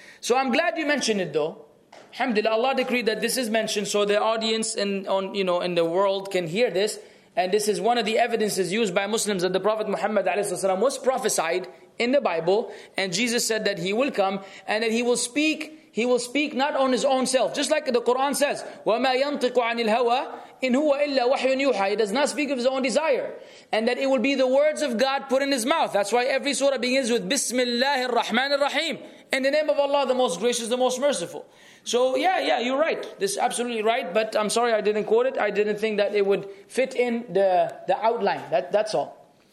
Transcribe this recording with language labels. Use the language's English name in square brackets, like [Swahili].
[English] So I'm glad you mentioned it though. Alhamdulillah, Allah decreed that this is mentioned so the audience in the world can hear this. And this is one of the evidences used by Muslims that the Prophet Muhammad alayhi salam was prophesied in the Bible. And Jesus said that he will come and that he will speak. He will speak not on his own self. Just like the Quran says, [Arabic] وَمَا يَنْطِقُ عَنِ الْهَوَى إِنْ هُوَ إِلَّا وَحْيٌ يُوحَى. [English] He does not speak of his own desire. And that it will be the words of God put in his mouth. That's why every surah begins with [Arabic] بِسْمِ اللَّهِ الرَّحْمَنِ الرَّحِيمِ. [English] In the name of Allah, the most gracious, the most merciful. So yeah, you're right. This is absolutely right. But I'm sorry I didn't quote it. I didn't think that it would fit in the outline. That's all.